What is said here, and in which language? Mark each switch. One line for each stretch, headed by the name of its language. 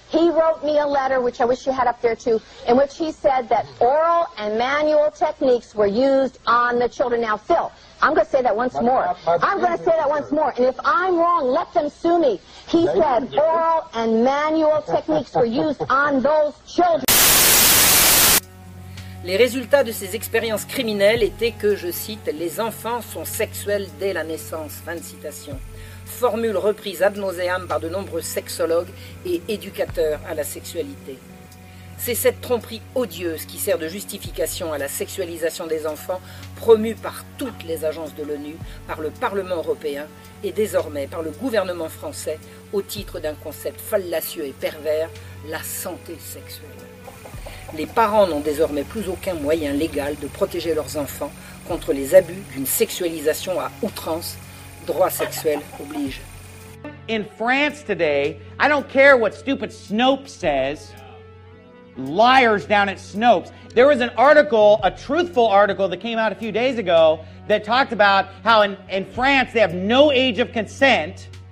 English: He wrote me a letter, which I wish you had up there too, in which he said that oral and manual techniques were used on the children. Now, Phil, I'm going to say that once more. I'm going to say that once more. And if I'm wrong, let them sue me. He said oral and manual techniques were used on those children.
French: Les résultats de ces expériences criminelles étaient que, je cite, « les enfants sont sexuels dès la naissance », fin de citation. Formule reprise ad nauseam par de nombreux sexologues et éducateurs à la sexualité. C'est cette tromperie odieuse qui sert de justification à la sexualisation des enfants, promue par toutes les agences de l'ONU, par le Parlement européen et désormais par le gouvernement français, au titre d'un concept fallacieux et pervers, la santé sexuelle. Les parents n'ont désormais plus aucun moyen légal de protéger leurs enfants contre les abus d'une sexualisation à outrance. Droit sexuel oblige.
English: In France today, I don't care what stupid Snopes says. Liars down at Snopes. There was an article, a truthful article that came out a few days ago that talked about how in France they have no age of consent.